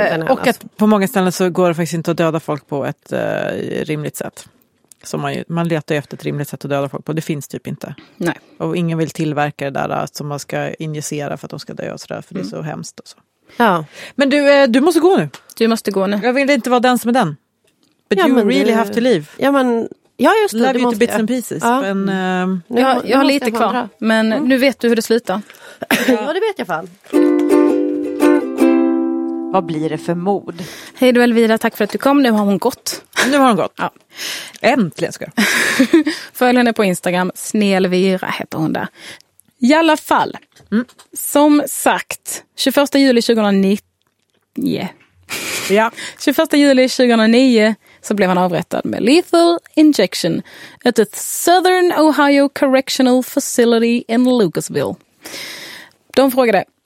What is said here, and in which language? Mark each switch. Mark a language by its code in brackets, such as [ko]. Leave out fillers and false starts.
[sv] Och att på många ställen så går det faktiskt inte att döda folk på ett rimligt sätt. Som man letar efter ett rimligt sätt att döda folk på. Det finns typ inte. Nej. Och ingen vill tillverka det där som man ska injicera för att de ska dö och sådär. För det är så hemskt. Och så. Ja. Men du måste gå nu. Du måste gå nu. Jag vill inte vara den som är den. [en] But ja, you really have to leave. [sv] Ja, men... ja, just det. [en] Love you to bits and pieces. [sv] Ja. Men, jag har lite kvar. Men nu vet du hur det slutar. Ja, det vet jag fan. Vad blir det för mod? Hej då Elvira, tack för att du kom. Nu har hon gått. Nu har hon gått. Ja. Äntligen ska jag. Följ henne på Instagram. Snelvira heter hon där. I alla fall. Mm. Som sagt. 21 juli 2009. Yeah. Ja. 21 juli 2009 så blev han avrättad med lethal injection. [en] At the Southern Ohio Correctional Facility in Lucasville. [sv] De frågade...